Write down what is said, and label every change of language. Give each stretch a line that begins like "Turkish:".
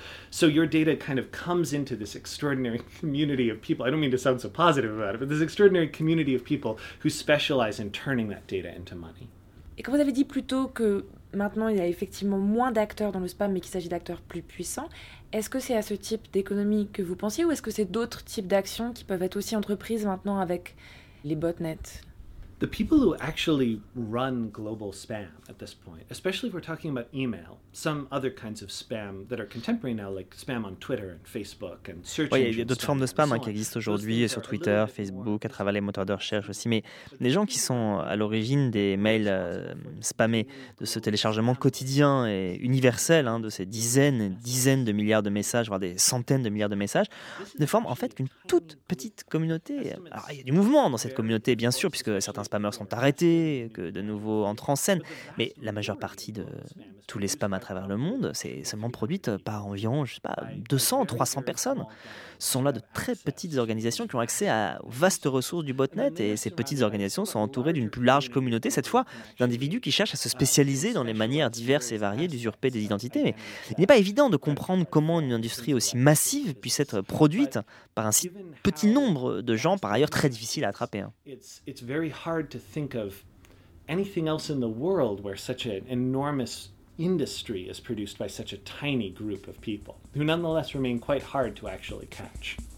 English: So your data kind of comes into this extraordinary community of people. I don't mean to sound so positive about it, but this extraordinary community of people who specialize in turning that data into money.
French: Et comme vous avez dit plus tôt que maintenant il y a effectivement moins d'acteurs dans le spam, mais qu'il s'agit d'acteurs plus puissants. Est-ce que c'est à ce type d'économie que vous pensiez ou est-ce que c'est d'autres types d'actions qui peuvent être aussi entreprises maintenant avec les botnets ?
English: The people who actually run global spam at this point, especially if we're talking about email, some other kinds of spam that are contemporary now, like spam on Twitter and Facebook and search engines.
French: Il y a d'autres formes de spam qui existent aujourd'hui sur Twitter, Facebook, à travers les moteurs de recherche aussi. Mais les gens qui sont à l'origine des mails spammés, de ce téléchargement quotidien et universel, hein, de ces dizaines et dizaines de milliards de messages, voire des centaines de milliards de messages, ne forment en fait qu'une toute petite communauté. Alors, il y a du mouvement dans cette communauté, bien sûr, puisque certains spammers sont arrêtés, que de nouveaux entrent en scène. Mais la majeure partie de tous les spams à travers le monde, c'est seulement produite par environ, je sais pas, 200, 300 personnes. Ce sont là de très petites organisations qui ont accès aux vastes ressources du botnet. Et ces petites organisations sont entourées d'une plus large communauté, cette fois d'individus qui cherchent à se spécialiser dans les manières diverses et variées d'usurper des identités. Mais il n'est pas évident de comprendre comment une industrie aussi massive puisse être produite par un si petit nombre de gens, par ailleurs très difficile à attraper. Hein.
English: Hard to think of anything else in the world where such an enormous industry is produced by such a tiny group of people, who nonetheless remain quite hard to actually catch.